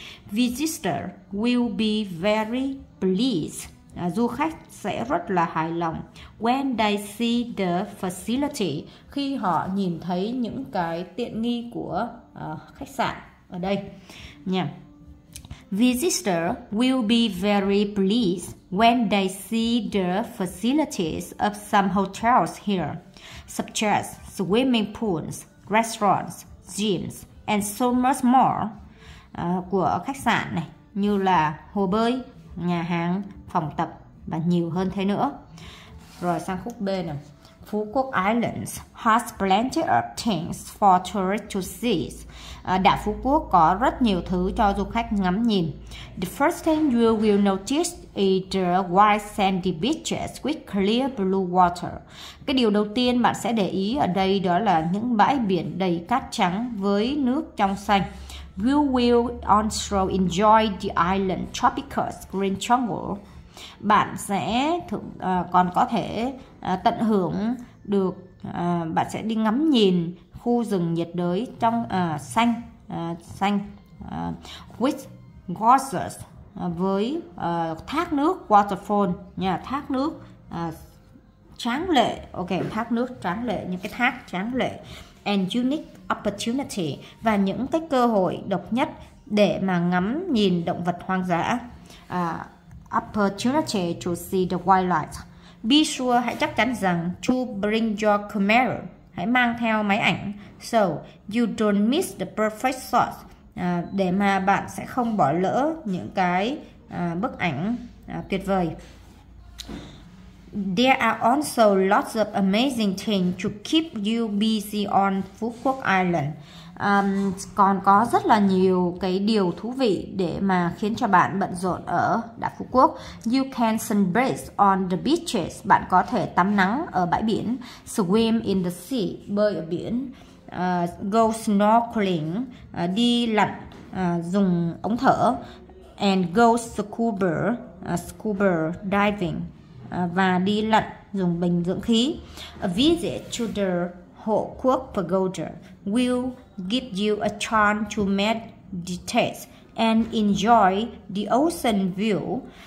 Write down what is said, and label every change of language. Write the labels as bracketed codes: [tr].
[en] Visitor will be very pleased. [vi] Du khách sẽ rất là hài lòng. [en] When they see the facility, [vi] khi họ nhìn thấy những cái tiện nghi của khách sạn ở đây nha. [en] Visitor will be very pleased when they see the facilities of some hotels here, such as swimming pools, restaurants, gyms, and so much more. [vi] Của khách sạn này, như là hồ bơi, nhà hàng, phòng tập và nhiều hơn thế nữa. Rồi sang khúc B nè. [en] Phú Quốc Islands has plenty of things for tourists to see. [vi] Đảo Phú Quốc có rất nhiều thứ cho du khách ngắm nhìn. [en] The first thing you will notice is the white sandy beaches with clear blue water. [vi] Cái điều đầu tiên bạn sẽ để ý ở đây đó là những bãi biển đầy cát trắng với nước trong xanh. [en] You will also enjoy the island tropical green jungle. [vi] Bạn sẽ còn có thể tận hưởng được, bạn sẽ đi ngắm nhìn khu rừng nhiệt đới trong xanh xanh [en] with gorgeous, [vi] với thác nước waterfall, nhà thác nước tráng lệ, ok, thác nước tráng lệ, những cái thác tráng lệ. [en] And unique opportunity, [vi] và những cái cơ hội độc nhất để mà ngắm nhìn động vật hoang dã. [en] Opportunity to see the wildlife. Be sure, [vi] hãy chắc chắn rằng [en] to bring your camera, [vi] hãy mang theo máy ảnh. [en] So you don't miss the perfect shot. [vi] Để mà bạn sẽ không bỏ lỡ những cái bức ảnh tuyệt vời. [en] There are also lots of amazing things to keep you busy on Phú Quốc Island. [vi] Còn có rất là nhiều cái điều thú vị để mà khiến cho bạn bận rộn ở đảo Phú Quốc. [en] You can sunbathe on the beaches. [vi] Bạn có thể tắm nắng ở bãi biển. [en] Swim in the sea, [vi] bơi ở biển. [en] Go snorkeling, [vi] đi lặn, dùng ống thở. [en] And go scuba, diving. [vi] Và đi lặn dùng bình dưỡng khí. [en] A visit to the Hộ Quốc Pagoda will give you a chance to meditate and enjoy the ocean view.